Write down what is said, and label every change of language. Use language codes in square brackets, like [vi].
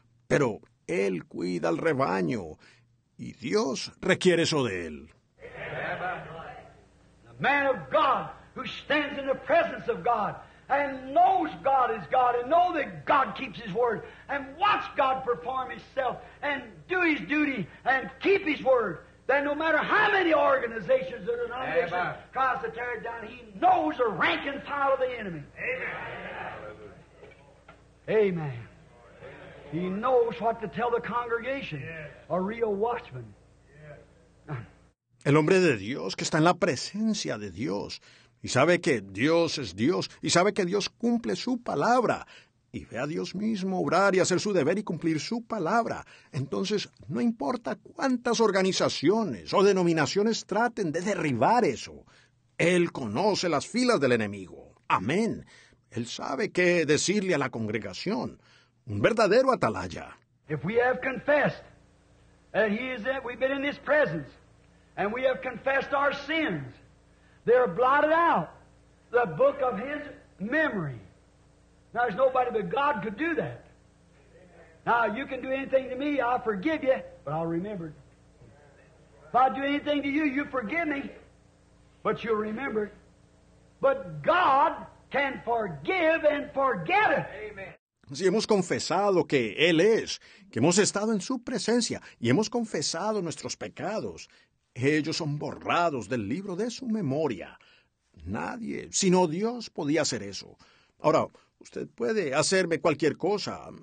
[es] Pero él cuida al rebaño y Dios requiere eso de él. [en] The man of God who stands in the presence of God. And knows God is God, and know that God keeps His word, and watch God perform Himself, and do His duty, and keep His word. Then, no matter how many organizations or denominations tries to tear it down, He knows the rank and file of the enemy. Amen. Amen. Amen. He knows what to tell the congregation. Yes. A real watchman. Yes. [es] El hombre de Dios que está en la presencia de Dios. Y sabe que Dios es Dios, y sabe que Dios cumple su palabra, y ve a Dios mismo obrar y hacer su deber y cumplir su palabra. Entonces, no importa cuántas organizaciones o denominaciones traten de derribar eso, Él conoce las filas del enemigo. Amén. Él sabe qué decirle a la congregación. Un verdadero atalaya. [en] If we have confessed that He is that we've been in His presence, and we have confessed our sins. They're blotted out, the book of His memory. Now, there's nobody but God could do that. Now, you can do anything to me, I'll forgive you, but I'll remember it. If I do anything to you, you forgive me, but you'll remember it. But God can forgive and forget it. Amen. [es] Si hemos confesado que Él es, que hemos estado en su presencia y hemos confesado nuestros pecados, ellos son borrados del libro de su memoria. Nadie, sino Dios, podía hacer eso. Ahora, usted puede hacerme cualquier cosa.